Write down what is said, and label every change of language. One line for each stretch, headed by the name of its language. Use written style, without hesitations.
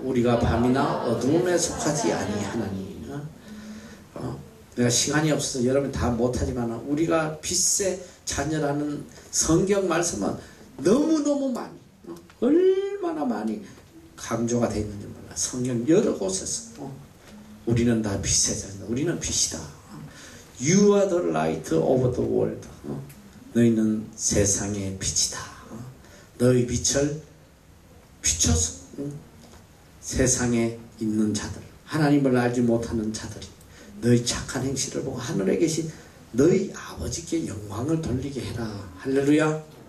Korean: 우리가 밤이나 어둠에 속하지 아니하나니. 내가 시간이 없어서 여러분 다 못하지만 우리가 빛의 자녀라는 성경 말씀은 너무너무 많이 얼마나 많이 강조가 되어 있는지 몰라. 성경 여러 곳에서 우리는 다 빛의 자녀. 우리는 빛이다.
English: You are the light of the world.
Korean: 너희는 세상의 빛이다. 너희 빛을 비춰서 세상에 있는 자들 하나님을 알지 못하는 자들이 너희 착한 행실을 보고 하늘에 계신 너희 아버지께 영광을 돌리게 해라. 할렐루야.